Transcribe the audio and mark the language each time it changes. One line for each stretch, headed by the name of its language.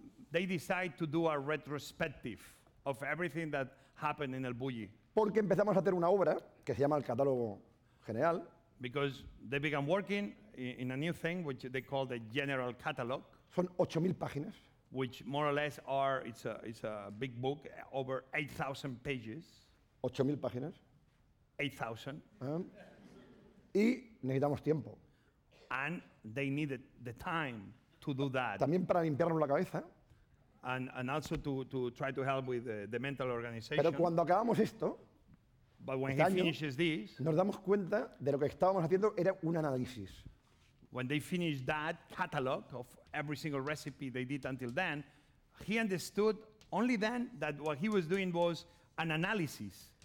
English: They decide to do a retrospective of everything that happened in El Bulli.
Spanish: Porque empezamos a hacer una obra que se llama El Catálogo General.
English: Because they began working in a new thing which they call the General Catalog.
Spanish: Son 8,000 páginas.
English: Which more or less are it's a big book over 8,000 pages.
Spanish: 8,000 páginas. 8,000. Y necesitamos tiempo.
English: And they needed the time to do that.
Spanish: También para limpiarnos la cabeza.
English: And also to try to help with the mental organization.
Spanish: Pero cuando acabamos esto,
English: but when he finishes this,
Spanish: nos damos cuenta de lo que estábamos haciendo era un análisis.
English: When they finished that catalog of every single recipe they did until then, he understood only then that what he was doing was an analysis